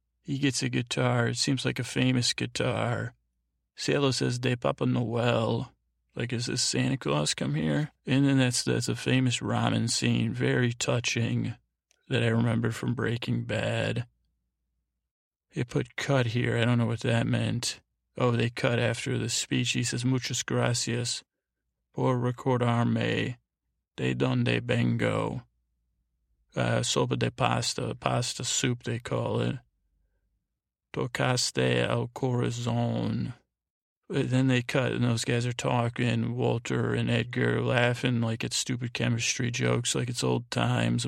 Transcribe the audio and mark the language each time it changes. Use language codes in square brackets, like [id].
[en] He gets a guitar. It seems like a famous guitar. Cielo says, [es] De Papa Noel. [en] Like, is this Santa Claus come here? And then that's a famous ramen scene. Very touching that I remember from Breaking Bad. It put cut here. I don't know what that meant. Oh, they cut after the speech. He says, [es] Muchas gracias por recordarme de donde vengo. Sopa de pasta, [en] pasta soup, they call it. [es] Tocaste al corazón. [en] But then they cut, and those guys are talking, Walter and Edgar laughing like it's stupid chemistry jokes, like it's old times.